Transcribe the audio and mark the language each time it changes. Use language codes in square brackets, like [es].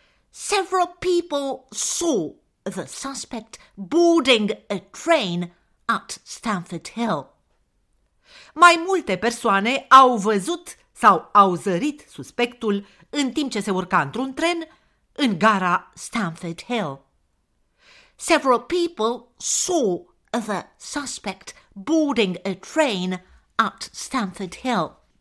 [en] several people saw the suspect boarding a train at Stamford Hill. [ro] Mai multe persoane au văzut sau au zărit suspectul în timp ce se urca într-un tren în gara Stamford Hill. [en] Several people saw the suspect boarding a train at Stamford Hill.